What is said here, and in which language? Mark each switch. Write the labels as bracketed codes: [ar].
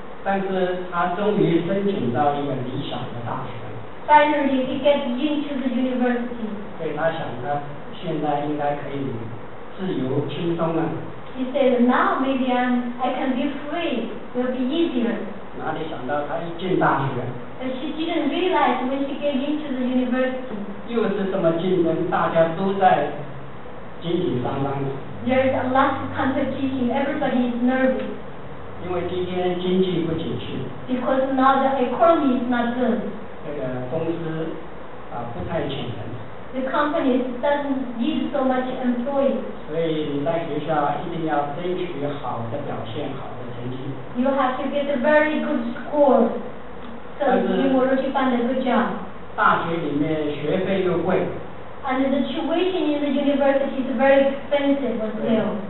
[zh] 但是他终于申请到一个理想的大学。 [en] Finally, he gets into the university. [zh] 对，他想呢，现在应该可以自由轻松了。 [en] He said, now maybe I can be free, will be easier. [zh] 哪里想到他一进大学。 [en] But she didn't realize when she came into the university. [zh] 又是这么竞争，大家都在紧紧张张的。 [en] There's a lot of competition, everybody is nervous. [zh] 因为今天经济不景气。 [en] Because now the economy is not good. [zh] 这个公司啊不太请人。 [en] The company doesn't need so much employees. [zh] 所以你在学校一定要争取好的表现，好的成绩。 [en] You have to get a very good score, so you will to find a good job. [zh] 大学里面学费又贵。 [en] And the tuition in the university is very expensive as well.